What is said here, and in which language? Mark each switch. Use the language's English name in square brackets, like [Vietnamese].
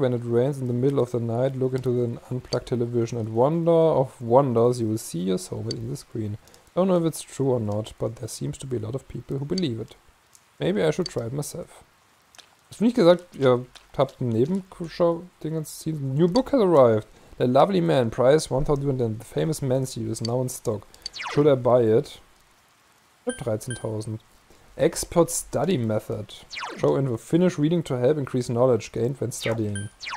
[English] When it rains in the middle of the night, look into the unplugged television and wonder of wonders, you will see your soulmate in the screen. I don't know if it's true or not, but there seems to be a lot of people who believe it. Maybe I should try it myself. [German] Hast du nicht gesagt, ihr habt ein Nebenschau-Ding gezogen? [English] New book has arrived. The Lovely Man, price 1,000 yuan. The Famous Man's Seal is now in stock. Should I buy it? [German] Ich hab 13.000. [English] Expert Study Method. Show info. Finish reading to help increase knowledge gained when studying.